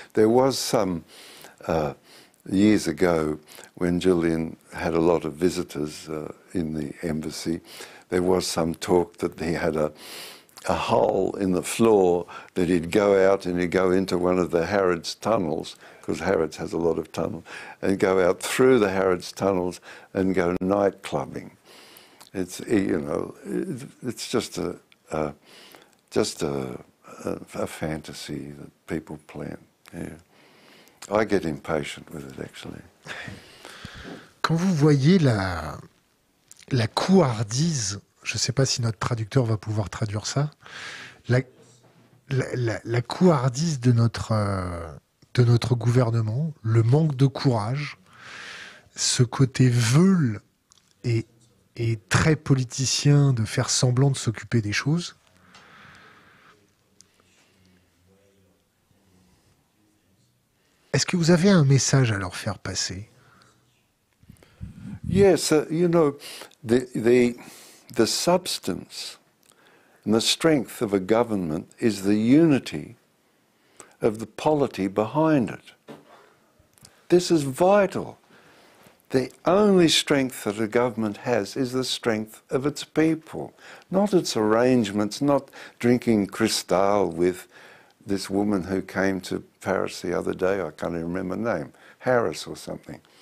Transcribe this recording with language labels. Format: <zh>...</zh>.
<en>There was some years ago when Julian had a lot of visitors in the embassy, there was some talk that he had a hole in the floor that he'd go out and he'd go into one of the Harrods tunnels, because Harrods has a lot of tunnels, and go out through the Harrods tunnels and go nightclubbing. It's, you know, it's just a fantasy that people plant. Yeah. I get impatient with it, actually.</en> <fr>Quand vous voyez la couardise, je ne sais pas si notre traducteur va pouvoir traduire ça, la couardise de notre gouvernement, le manque de courage, ce côté veule et très politicien de faire semblant de s'occuper des choses. Est-ce que vous avez un message à leur faire passer?</fr> <en>Yes, you know, the substance and the strength of a government is the unity of the polity behind it. This is vital. The only strength that a government has is the strength of its people, not its arrangements, not drinking Cristal with this woman who came to Paris the other day, I can't even remember her name, Harris or something.</en>